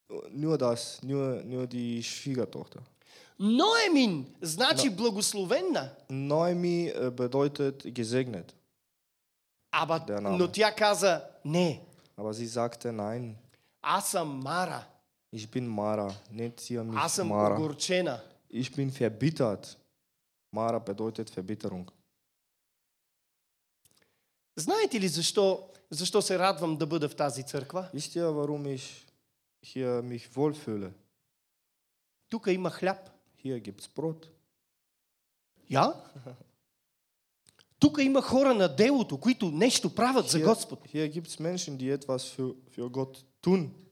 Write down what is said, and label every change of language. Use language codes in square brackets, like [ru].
[de] Nur das, nur die Schwiegertochter. [bg] Noemin, значи благословенна. [de] Noemi bedeutet gesegnet. [bg] Aber но тя каза не. [de] Aber sie sagte nein. [bg] Аз съм Мара. [de] Ich bin Mara, nicht sie mich [bg] Аз съм огорчена. [de] Ich bin verbittert. Mara bedeutet Verbitterung. [bg] Знаете ли защо се радвам да бъда в тази църква? [de] Wisst ihr, warum ich hier mich wohlfühle? [bg] Тук има хляб. [de] Hier gibt's Brot. Ja? [bg] Тук има хора на делото, които нещо правят за Господ. [de] Hier gibt's Menschen, die etwas für Gott tun.